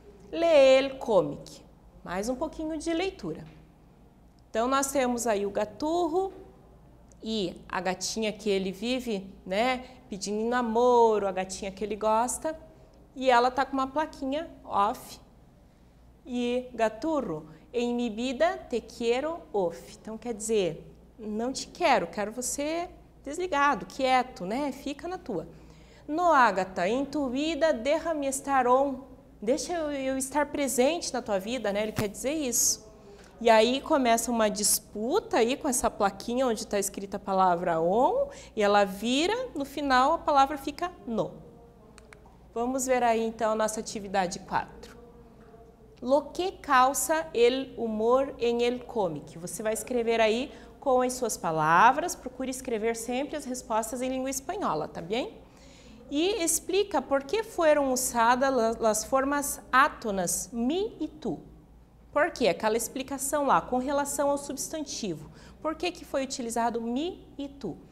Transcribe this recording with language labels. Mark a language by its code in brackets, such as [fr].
[pt] Lê el cómic. Mais um pouquinho de leitura. Então, nós temos aí o gaturro e a gatinha que ele vive, né, pedindo namoro, a gatinha que ele gosta. E ela tá com uma plaquinha off. [es] E gaturro, en mi vida te quiero off. [pt] Então, quer dizer, não te quero, quero você desligado, quieto, né, fica na tua. [es] No, Agatha, en tu vida déjame estar on. [pt] Deixa eu estar presente na tua vida, né? Ele quer dizer isso. E aí começa uma disputa aí com essa plaquinha onde está escrita a palavra on, e ela vira, no final a palavra fica no. Vamos ver aí então a nossa atividade 4. [es] Lo que causa el humor en el cómic? [pt] Você vai escrever aí com as suas palavras, procure escrever sempre as respostas em língua espanhola, tá bem? E explica por que foram usadas as formas átonas mi e tu. Por quê? Aquela explicação lá, com relação ao substantivo. Por que que foi utilizado mi e tu?